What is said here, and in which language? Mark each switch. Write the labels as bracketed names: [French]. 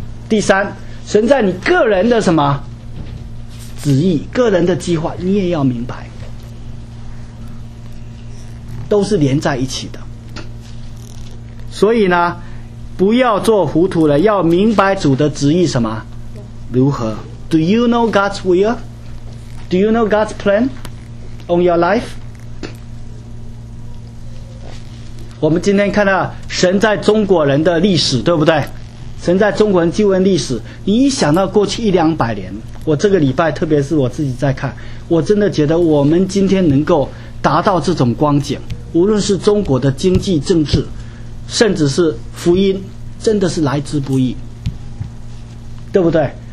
[Chinese] 第三，神在你个人的什么旨意、个人的计划，你也要明白，都是连在一起的。所以呢，不要做糊涂了，要明白主的旨意什么如何。 [English] Do you know God's will? Do you know God's plan on your life? [Chinese] 我们今天看到神在中国人的历史，对不对？神在中国人救恩历史，你一想到过去一两百年，我这个礼拜特别是我自己在看，我真的觉得我们今天能够达到这种光景，无论是中国的经济、政治，甚至是福音，真的是来之不易，对不对？